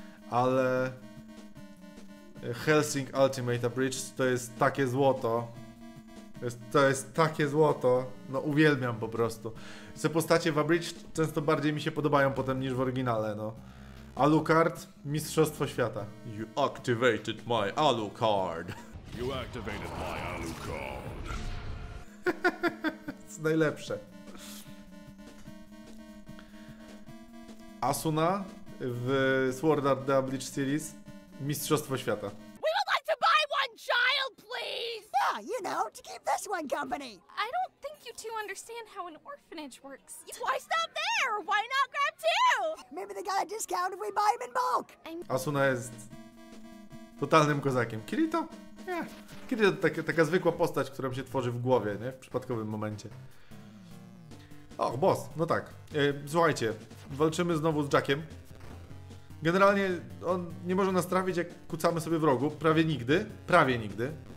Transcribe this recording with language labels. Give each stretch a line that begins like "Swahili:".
Polish: Ale Hellsing Ultimate Abridged to jest takie złoto. To jest takie złoto. No uwielbiam po prostu. Te postacie w Abridged często bardziej mi się podobają potem niż w oryginale, no. Alucard, Mistrzostwo Świata.
English: You activated my Alucard. You activated my Alucard.
Polish: To najlepsze. Asuna w Sword Art Abridged Series. Mistrzostwo Świata.
English: We would like to buy one child, please! Yeah, you know, to keep this one company. I don't think you two understand how an orphanage works. Why stop there? Why not grab two? Maybe they got a discount if we buy them in bulk.
Polish: Asuna jest totalnym kozakiem. Kirito? Nie. Kiedy to taka zwykła postać, która się tworzy w głowie, nie? W przypadkowym momencie. O, boss. No tak. Słuchajcie. Walczymy znowu z Jackiem. Generalnie on nie może nas trafić, jak kucamy sobie wrogu. Prawie nigdy. Prawie nigdy.